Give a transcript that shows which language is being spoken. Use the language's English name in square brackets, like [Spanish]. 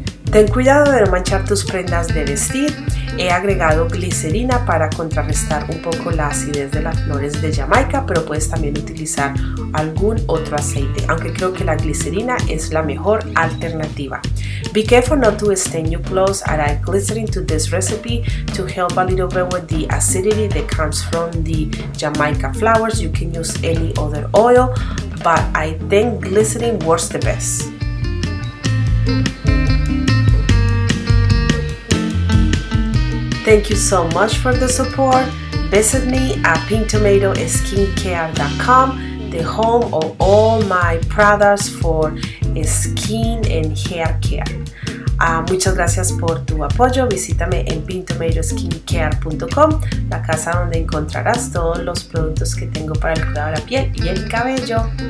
[Spanish] Ten cuidado de no manchar tus prendas de vestir. He agregado glicerina para contrarrestar un poco la acidez de las flores de Jamaica, pero puedes también utilizar algún otro aceite, aunque creo que la glicerina es la mejor alternativa. [English] Be careful not to stain your clothes. I add glycerin to this recipe to help a little bit with the acidity that comes from the Jamaica flowers. You can use any other oil, but I think glycerin works the best. Thank you so much for the support. Visit me at pinktomatoskincare.com, the home of all my products for skin and hair care. [Spanish] Muchas gracias por tu apoyo. Visítame en pinktomatoskincare.com, la casa donde encontrarás todos los productos que tengo para el cuidado de la piel y el cabello.